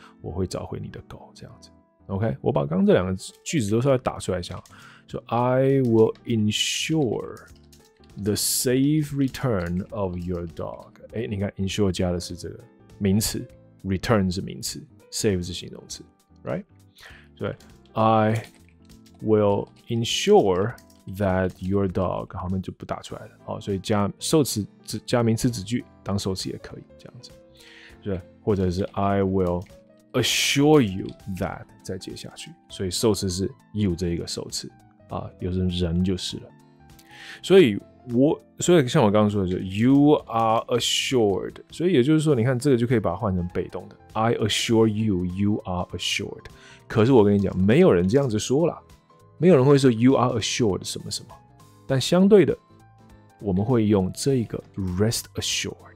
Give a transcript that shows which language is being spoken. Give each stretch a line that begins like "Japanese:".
Chinese: 我会找回你的狗，这样子。OK， 我把刚刚这两个句子都稍微打出来一下，就
English: I will ensure the safe return of your dog。
Chinese: 你看 ，ensure 加的是这个名词。Return 是名词， save 是形容词 ，right？对 ，
English: I will ensure that your dog，
Chinese: 好，那就不打出来了。好，所以加受词加名词子句当受词也可以这样子，对，或者是
English: I will assure you that
Chinese: 再接下去，所以受词是 you 这一个受词啊，有人人就是了，所以。所以像我刚刚说的就
English: You are assured，
Chinese: 所以也就是说你看这个就可以把它换成被动的
English: I assure you You are assured，
Chinese: 可是我跟你讲没有人这样子说啦，没有人会说
English: You are assured
Chinese: 什么什么，但相对的我们会用这个
English: Rest assured，